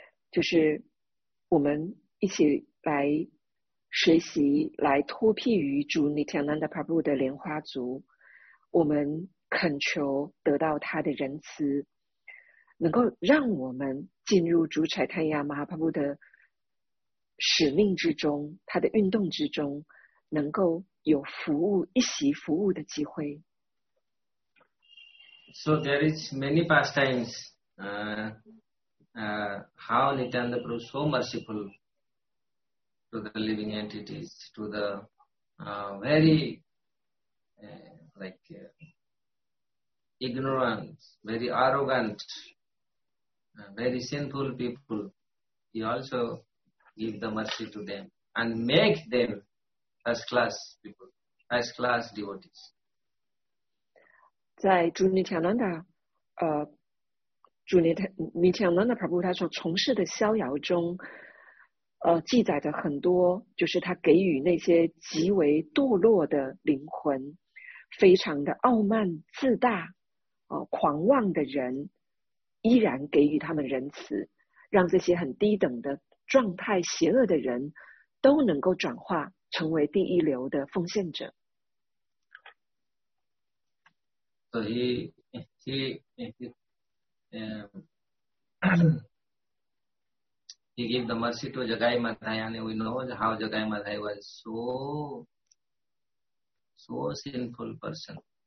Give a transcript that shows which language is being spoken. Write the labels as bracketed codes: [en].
[zh] 就是我们一起来学习，来脱辟于主尼恰南达 Prabhu 的莲花族，我们恳求得到他的仁慈，能够让我们进入主柴坦亚马哈帕布的使命之中，他的运动之中，能够有服务一席服务的机会。 [en] So there is many pastimes. How Nityananda Prabhu so merciful to the living entities, to the ignorant, very arrogant, very sinful people, he also give the mercy to them and make them first class people, first class devotees. [zh] 在 Nityananda Prabhu 他所从事的逍遥中记载的很多，就是他给予那些极为堕落的灵魂非常的傲慢自大狂妄的人，依然给予他们仁慈，让这些很低等的状态、邪恶的人都能够转化成为第一流的奉献者。 [en] So he gave the mercy to Jagai Mata, and we know how Jagai Mata was so sinful person.